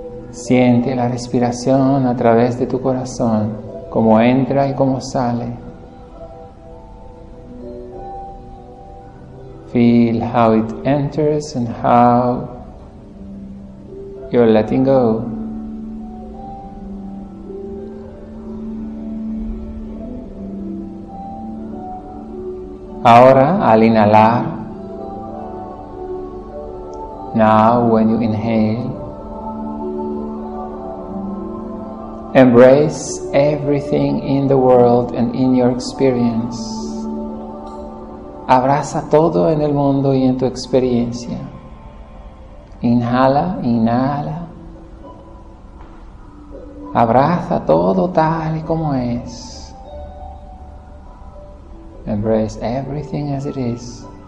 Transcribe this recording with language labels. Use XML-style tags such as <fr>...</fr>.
<es>Siente la respiración a través de tu corazón, cómo entra y cómo sale.</es> <en>Feel how it enters and how you're letting go.</en> <es>Ahora, al inhalar,</es> <en>now when you inhale, embrace everything in the world and in your experience.</en> <es>Abraza todo en el mundo y en tu experiencia. Inhala, inhala. Abraza todo tal y como es.</es> <en>Embrace everything as it is.</en>